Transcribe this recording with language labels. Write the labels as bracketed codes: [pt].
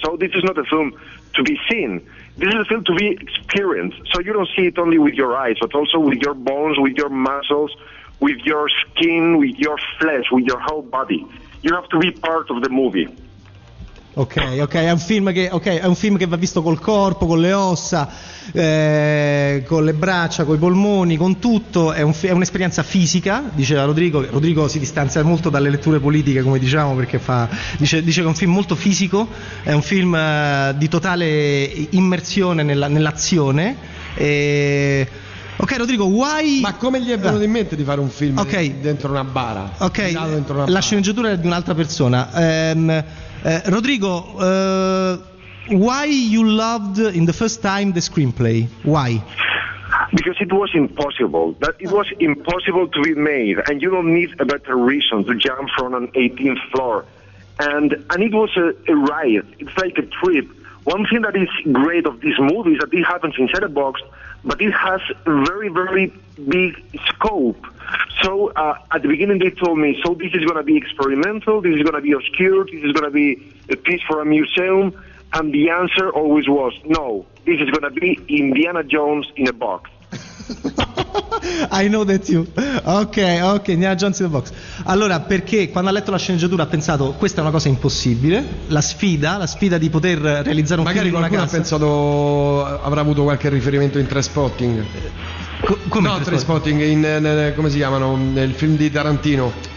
[en] So this is not a film to be seen. This is a film to be experienced. So you don't see it only with your eyes, but also with your bones, with your muscles, with your skin, with your flesh, with your whole body. You have to be part of the movie. [it] Ok, è un film che, è un film che va visto col corpo, con le ossa, con le braccia, con i polmoni, con tutto. È un'esperienza fisica, diceva Rodrigo. Rodrigo si distanzia molto dalle letture politiche, come diciamo, perché dice che è un film molto fisico, è un film di totale immersione nell'azione. Ok, Rodrigo, why... Ma come gli è venuto in mente di fare un film dentro una bara? Ok, una bara? La sceneggiatura è di un'altra persona. [en] Rodrigo, why you loved in the first time the screenplay? Why? Because it was impossible. That it was impossible to be made, and you don't need a better reason to jump from an 18th floor. And it was a riot. It's like a trip. One thing that is great of this movie is that it happens inside a box, but it has a very, very big scope. So at the beginning they told me, so this is going to be experimental, this is going to be obscure, this is going to be a piece for a museum, and the answer always was, no, this is going to be Indiana Jones in a box. I know that you. Ok, Indiana Jones in a box. [it] Allora, perché quando ha letto la sceneggiatura ha pensato, questa è una cosa impossibile, la sfida di poter realizzare un magari film in una casa. Magari qualcuno ha pensato, avrà avuto qualche riferimento in Trainspotting. Come no, Trainspotting, come si chiamano, nel film di Tarantino.